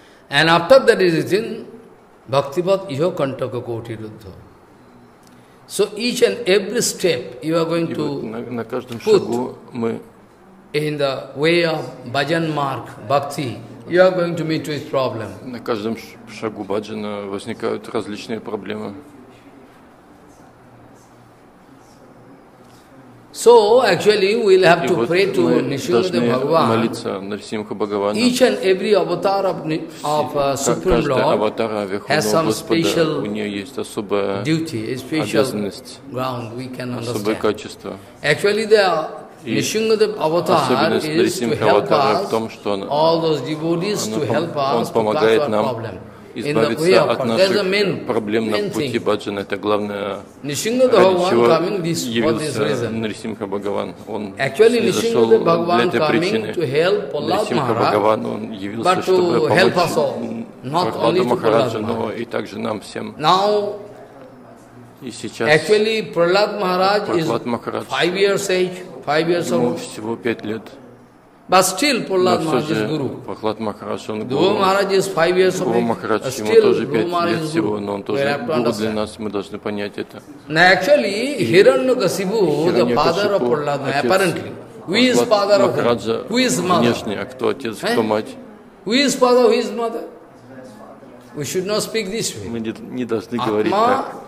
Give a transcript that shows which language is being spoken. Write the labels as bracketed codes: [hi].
[en] And after that is written, [sa] Bhakti Pat Iho Kantaka Koti Ruddha. [en] So each and every step you are going to put in the way of bhajan mark, bhakti, you are going to meet with problem. [ru] На каждом шагу баджана возникают различные проблемы. [en] So actually we will have to pray to Nrisimhadev Bhagavan. [ru] Молиться Нрисимха Бхагавана. [en] Each and every avatar of Supreme Lord has some special duty, a special ground we can understand. Actually the Nrisimhadev avatar is to help us, all those devotees to help us to cut our problem. [ru] Избавиться от наших проблем на пути баджана – это главное, ради чего явился Нрисимха Бхагаван. Он снизошел для этой причины. Нрисимха Бхагаван, он явился, чтобы помочь Прахлада Махараджа, но и также нам всем. И сейчас Прахлад Махарадж, ему всего 5 лет. [en] But still, Prahlad Maharaj is Guru. [ru] Prahlad Maharaj, он [en] Guru. Guru Maharaj is 5 years of age. Still, Guru Maharaj is Guru. [ru] Но он тоже Guru для нас. Мы должны понять это. [en] Now, actually, Хиранья Кашипу, the father of Prahlad, apparently, who is father of him? Who is mother? [ru] Внешне, а кто отец, кто мать? [en] Who is father? Who is mother? We should not speak this way. [ru] Мы не должны говорить так.